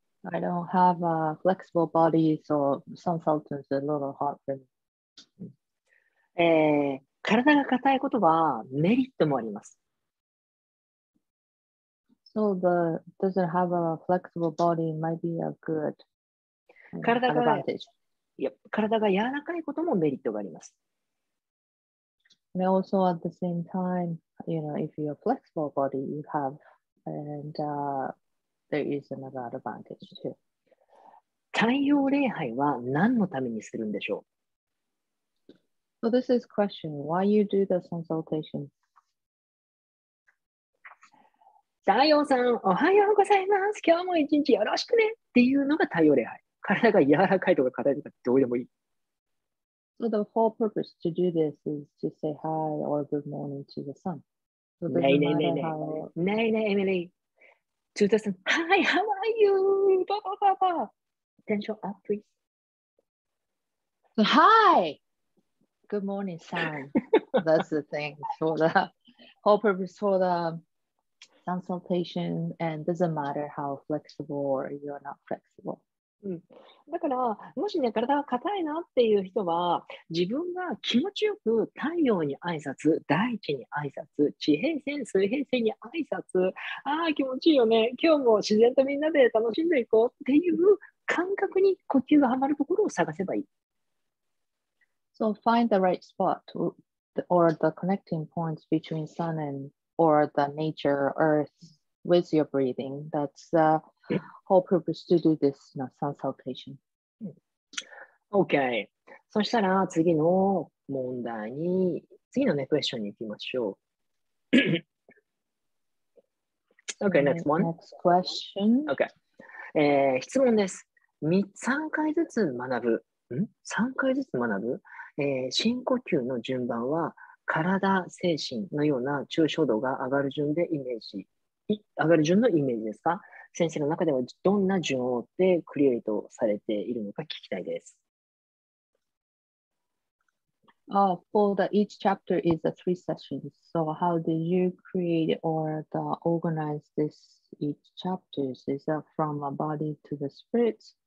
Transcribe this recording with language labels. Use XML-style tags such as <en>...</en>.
<en>I don't have a flexible body, so some sultans are a little hot for me.</en> <ja>体が硬いことはメリットもあります。</ja> <en>So the doesn't have a flexible body might be a good advantage.</en> <ja>いや、体が柔らかいこともメリットがあります。</ja> <en>And also at the same time, you know, if you're a flexible body, you have, and、there is another advantage too.</en> <ja>太陽礼拝は何のためにするんでしょう？</ja> <en>So this is question, why you do the sun salutation?</en> <ja>太陽さん、おはようございます。今日も一日よろしくねっていうのが太陽礼拝。体が柔らかいとか硬いとかどうでもいい。</ja> <en>So the whole purpose to do this is to say hi or good morning to the sun. Emily. To the sun. Hi, how are you? Ba, ba, ba, ba. Attention up, please. Hi! Good morning, sun. That's the thing for the whole purpose for the... consultation and doesn't matter how flexible or you're not flexible.</en> <ja>だからもしね体が硬いなっていう人は自分が気持ちよく太陽に挨拶、大地に挨拶、地平線、水平線に挨拶、ああ気持ちいいよね、今日も自然とみんなで楽しんでいこうっていう感覚に呼吸がはまるところを探せばいい。</ja> <en>So find the right spot or the connecting points between sun andOr the nature, earth, with your breathing. That's the whole purpose to do this sun salutation. Okay.</en> <ja>そしたら次の問題に、次のね、クエスチョンに行きましょう。</ja> <en>Okay, next one. Next question.</en> <ja>Okay. 質問です。3回ずつ学ぶ。ん ?3 回ずつ学ぶ、深呼吸の順番は体、精神のような抽象度が上がる順でイメージ、上がる順のイメージですか？先生の中ではどんな順を追ってクリエイトされているのか聞きたいです。</ja> <en>For the each chapter is a three sessions. So how did you create or the organize this each chapters? Is that from a body to the spirit?</en>